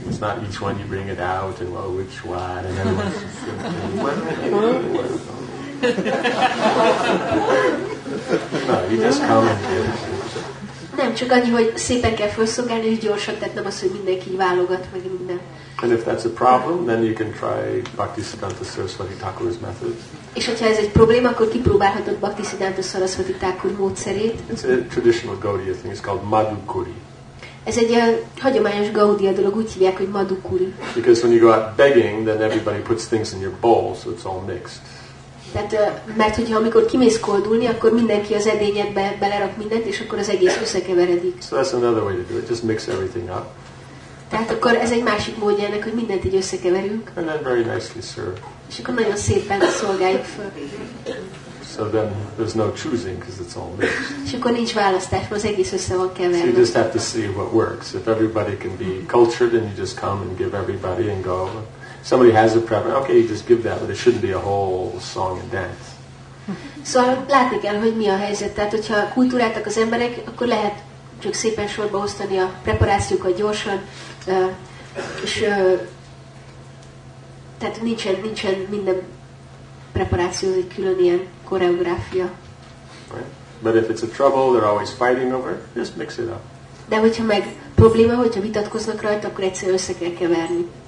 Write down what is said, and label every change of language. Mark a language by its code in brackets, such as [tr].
[en] It's not each one you bring it out and well, which one and then what's No, you just come and give. [hu] Nem csak annyi, hogy szépen kell felszolgálni, és gyorsan, tehát nem az, hogy mindenki válogat meg minden. [en] And if that's a problem, then you can try Bhaktisiddhanta Saraswati Thakur's method. [hu] És hogyha ez egy probléma, akkor kipróbálhatod Bhaktisiddhanta Saraswati Thakur módszerét. [en] It's a traditional Gaudiya thing. It's called Madhukuri. [hu] Ez egy hagyományos Gaudiya dolog, úgy hívják, hogy Madhukuri. [en] Because when you go out begging, then everybody puts things in your bowl, so it's all mixed. [hu] Tehát, mert hogyha amikor kimész koldulni, akkor mindenki az edényedbe belerak mindent, és akkor az egész összekeveredik. [en] So that's another way to do it. Just mix everything up. [hu] Tehát akkor ez egy másik módja ennek, hogy mindent így összekeverünk. [en] And then very nicely serve. [hu] És akkor nagyon szépen szolgáljuk föl. [en] So then there's no choosing because it's all mixed. [hu] És akkor nincs választás, az egész össze van keverve. [en] So you just have to see what works. If everybody can be cultured, then you just come and give everybody and go. Somebody has a problem, okay, you just give that, but it shouldn't be a whole song and dance. [hu] Szóval látni kell, hogy mi a helyzet. Tehát, hogyha kultúráltak az emberek, akkor lehet csak szépen sorba osztani a preparációkat gyorsan, és tehát nincsen minden preparáció, egy külön ilyen koreográfia. [en] But if it's a trouble, they're always fighting over it, just mix it up. [hu] De hogyha meg probléma, hogyha vitatkoznak rajta, akkor egyszer össze kell keverni.